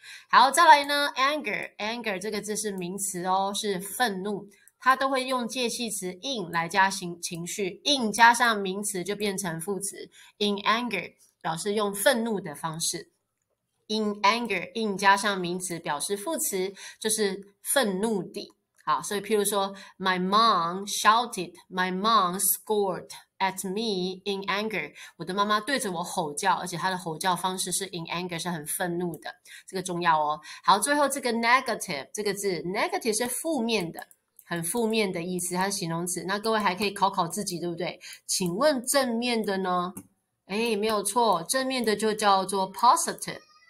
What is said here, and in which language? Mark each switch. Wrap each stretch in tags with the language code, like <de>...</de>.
<zh>好，再来呢，anger 这个字是名词哦，是愤怒。它都会用介系词 in 来加情绪，in 加上名词就变成副词 in anger，表示用愤怒的方式。 In anger，in 加上名词表示副词，就是愤怒的。好，所以譬如说，</zh> <en>My mom shouted，My mom scored at me in anger。</en> <zh>我的妈妈对着我吼叫，而且她的吼叫方式是 in anger，是很愤怒的。这个重要哦。好，最后这个 negative 这个字，negative 是负面的，很负面的意思，它是形容词。那各位还可以考考自己，对不对？请问正面的呢？诶，没有错，正面的就叫做 positive。</zh>